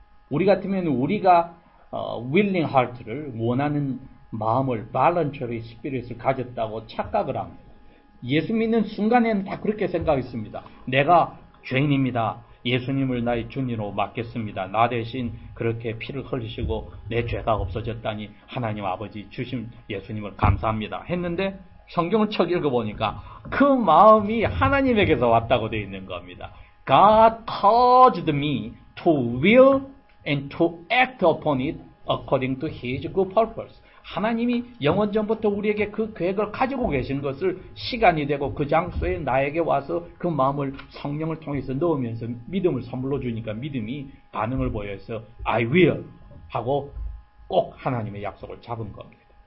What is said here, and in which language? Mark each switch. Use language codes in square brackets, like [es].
[ko] 우리 같으면 우리가 [en] willing heart [ko] 를 원하는 마음을 [en] voluntary spirit [ko] 을 가졌다고 착각을 합니다. 예수 믿는 순간에는 다 그렇게 생각했습니다. 내가 죄인입니다. 예수님을 나의 주님으로 맡겠습니다. 나 대신 그렇게 피를 흘리시고 내 죄가 없어졌다니 하나님 아버지 주신 예수님을 감사합니다. 했는데 성경을 척 읽어보니까 그 마음이 하나님에게서 왔다고 되어 있는 겁니다. [en] God caused me to will and to act upon it according to his good purpose. [ko] 하나님이 영원전부터 우리에게 그 계획을 가지고 계신 것을 시간이 되고 그 장소에 나에게 와서 그 마음을 성령을 통해서 넣으면서 믿음을 선물로 주니까 믿음이 반응을 보여서 [en] I will [ko] 하고 꼭 하나님의 약속을 잡은 겁니다.